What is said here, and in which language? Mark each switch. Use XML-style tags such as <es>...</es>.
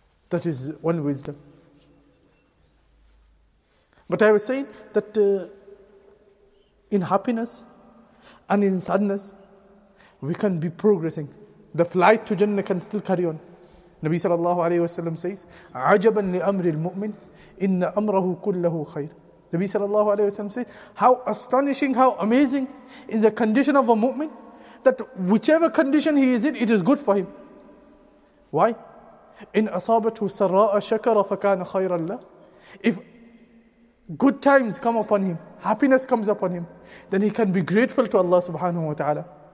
<en>That is one wisdom. But I was saying that in happiness and in sadness, we can be progressing. The flight to Jannah can still carry on.</en> <ar>Nabi sallallahu alayhi wa sallam says, عَجَبًا لِأَمْرِ الْمُؤْمِنِ إِنَّ أَمْرَهُ كُلَّهُ خَيْرٌ.</ar> <en>Nabi sallallahu alayhi wa sallam says, how astonishing, how amazing is the condition of a mu'min, that whichever condition he is in, it is good for him. Why?</en> <ar>إِنْ أَصَابَتْهُ سَرَّاءَ شَكَرَ فَكَانَ خَيْرًا لَهُ.</ar> <en>If good times come upon him, happiness comes upon him, then he can be grateful to Allah subhanahu wa ta'ala.</en>